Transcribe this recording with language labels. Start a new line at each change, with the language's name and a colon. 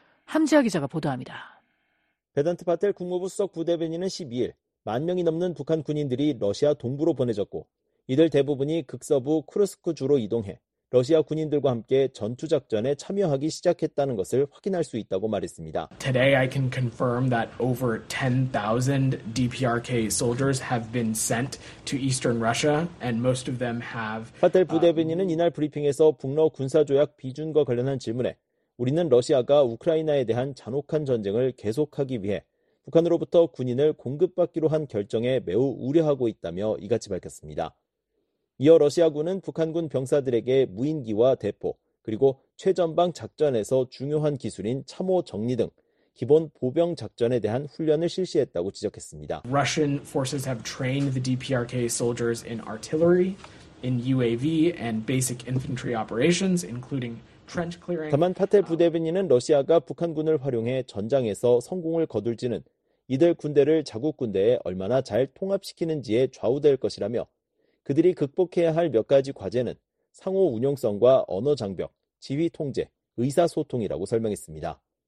Korean: 함지아 기자가 보도합니다. 베단트 파텔 국무부 수석 부대변인은 12일 만 명이 넘는 북한 군인들이 러시아 동부로 보내졌고 이들 대부분이 극서부 쿠르스크 주로 이동해 러시아 군인들과 함께 전투 작전에 참여하기 시작했다는 것을 확인할 수 있다고 말했습니다.
English: Today I can confirm that over 10,000 DPRK soldiers have been sent to eastern Russia and most of them have
Korean: 파텔 부대변인은 이날 브리핑에서 북러 군사 조약 비준과 관련한 질문에 우리는 러시아가 우크라이나에 대한 잔혹한 전쟁을 계속하기 위해 북한으로부터 군인을 공급받기로 한 결정에 매우 우려하고 있다며 이같이 밝혔습니다. 이어 러시아군은 북한군 병사들에게 무인기와 대포, 그리고 최전방 작전에서 중요한 기술인 참호 정리 등 기본 보병 작전에 대한 훈련을 실시했다고 지적했습니다.
English: Russian forces have trained the DPRK soldiers in artillery, in UAV and basic infantry operations including
Korean: 다만 파텔 부대변인은 러시아가 북한군을 활용해 전장에서 성공을 거둘지는 이들 군대를 자국 군대에 얼마나 잘 통합시키는지에 좌우될 것이라며 그들이 극복해야 할 몇 가지 과제는 상호 운용성과 언어 장벽, 지휘 통제, 의사소통이라고 설명했습니다.